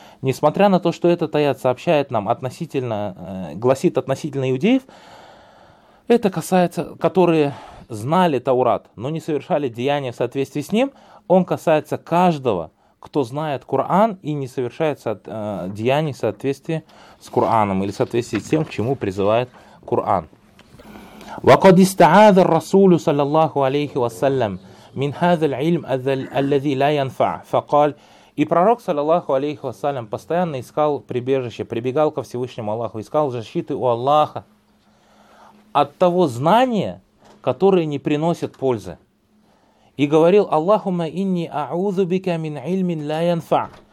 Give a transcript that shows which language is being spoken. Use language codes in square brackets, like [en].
[ru] Несмотря на то, что этот аят сообщает нам относительно, гласит относительно иудеев, это касается, которые знали Таурат, но не совершали деяния в соответствии с ним, он касается каждого, кто знает Коран и не совершает деяний в соответствии с Кораном или в соответствии с тем, к чему призывает Коран. [ar] وقد استعاذ الرسول صلى الله عليه وسلم من هذا العلم الذي لا ينفع فقال. [ru] И пророк саллаллаху алейхи вассалям постоянно искал прибежище, прибегал ко Всевышнему Аллаху, искал защиты у Аллаха от того знания, которое не приносит пользы. И говорил: [ar] Аллахумма инни аузу бика мин илмин ла янфа.